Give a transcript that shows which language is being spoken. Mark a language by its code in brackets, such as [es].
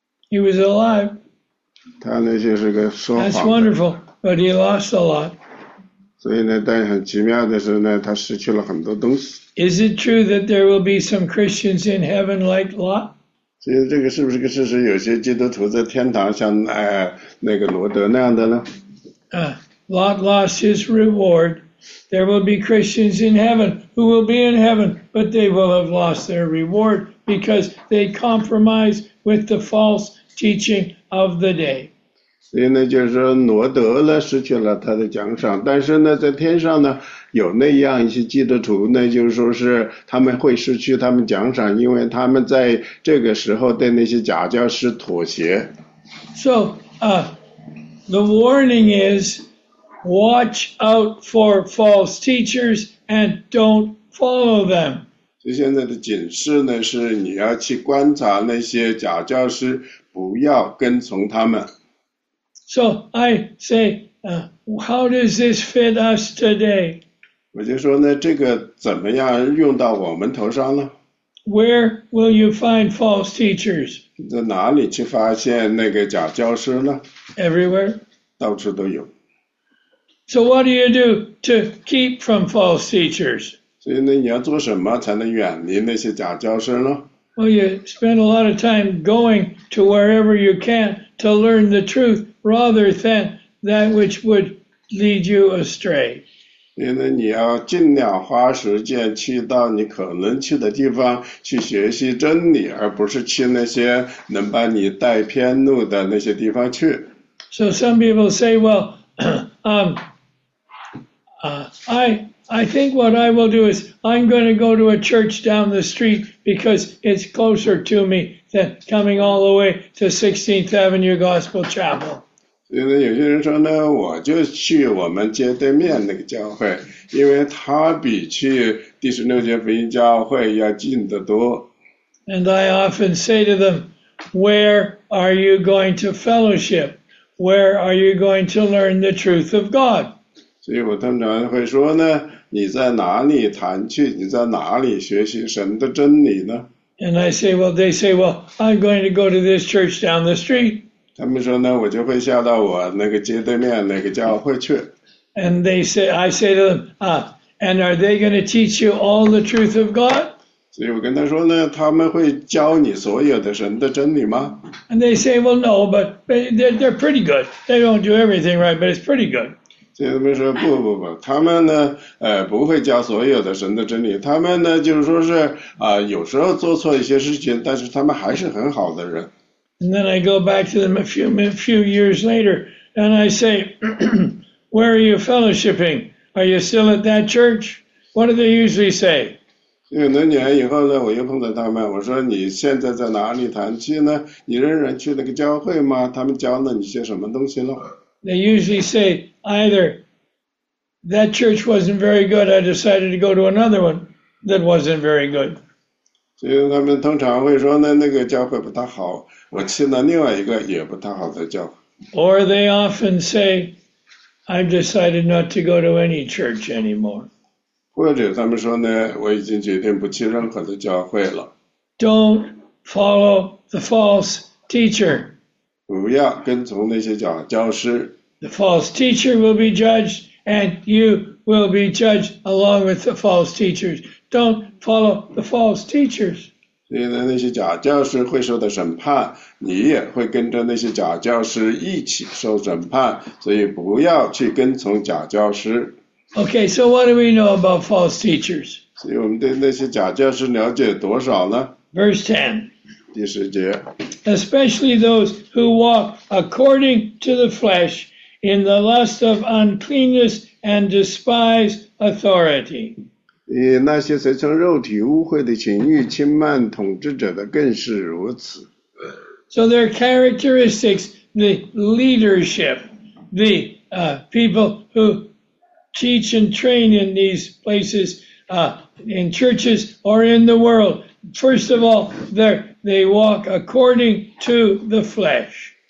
[en] He was alive. [zh] 他呢就是个说谎的。 [en] That's wonderful, but he lost a lot. [zh] 所以呢，但很奇妙的是呢，他失去了很多东西。 [en] Is it true that there will be some Christians in heaven like Lot? [zh] 所以这个是不是个事实？有些基督徒在天堂像那个罗德那样的呢？ [en] Lot lost his reward. There will be Christians in heaven who will be in heaven, but they will have lost their reward because they compromise with the false teaching of the day. [zh] 所以呢，就是说罗德呢失去了他的奖赏，但是呢，在天上呢有那样一些基督徒呢，就是说是他们会失去他们奖赏，因为他们在这个时候对那些假教师妥协。 [en] So, the warning is. Watch out for false teachers and don't follow them. [zh] 所以现在的警示呢，是你要去观察那些假教师，不要跟从他们。 [en] So I say, how does this fit us today? [zh] 我就说呢，这个怎么样用到我们头上呢？ [en] Where will you find false teachers? [zh] 在哪里去发现那个假教师呢？ [en] Everywhere. [zh] 到处都有。 [en] So what do you do to keep from false teachers? [zh] 所以呢，你要做什么才能远离那些假教师呢？ [en] Well, you spend a lot of time going to wherever you can to learn the truth rather than that which would lead you astray. [zh] 所以呢，你要尽量花时间去到你可能去的地方去学习真理，而不是去那些能把你带偏路的那些地方去。 [en] So some people say, well, I think what I will do is I'm going to go to a church down the street because it's closer to me than coming all the way to 16th Avenue Gospel Chapel. [zh] 所以呢，有些人说呢，我就去我们街对面那个教会，因为它比去第十六届福音教会要近得多。 [en] And I often say to them, "Where are you going to fellowship?" Where are you going to learn the truth of God? [zh] 所以我通常会说呢，你在哪里谈去？你在哪里学习神的真理呢？ [en] And I say, well, they say, well, I'm going to go to this church down the street. [zh] 他们说呢，我就会下到我那个街对面那个教会去。 [en] And they say, I say to them, and are they going to teach you all the truth of God? [zh] 所以我跟他说呢，他们会教你所有的神的真理吗？ [en] And they say, well, no, but they're pretty good. They don't do everything right, but it's pretty good. [zh] 所以他们说不不不，他们呢，不会教所有的神的真理。他们呢，就是说是有时候做错一些事情，但是他们还是很好的人。 [en] And then I go back to them a few years later, and I say, where are you fellowshipping? Are you still at that church? What do they usually say? [zh] 很多年以后呢，我又碰到他们，我说你现在在哪里团契呢？你仍然去那个教会吗？他们教了你些什么东西呢？ [en] They usually say either that church wasn't very good, I decided to go to another one that wasn't very good. [zh] 所以他们通常会说呢，那个教会不太好，我去了另外一个也不太好的教会。 [en] Or they often say, I've decided not to go to any church anymore. [zh] 或者他们说呢，我已经决定不去任何的教会了。 [en] Don't follow the false teacher. [zh] 不要跟从那些假教师。 [en] The false teacher will be judged, and you will be judged along with the false teachers. Don't follow the false teachers. [zh] 所以呢，那些假教师会受到审判，你也会跟着那些假教师一起受审判，所以不要去跟从假教师。 [en] Okay, so what do we know about false teachers? [zh] 所以我们对那些假教师了解多少呢？ [en] Verse 10. [zh] 第十节。 [en] Especially those who walk according to the flesh in the lust of uncleanness and despise authority. [zh] 那些随从肉体污秽的情欲轻慢统治者的更是如此。 [en] So their characteristics, the leadership, the people who... teach and train in these places, in churches or in the world. First of all, they walk according to the flesh.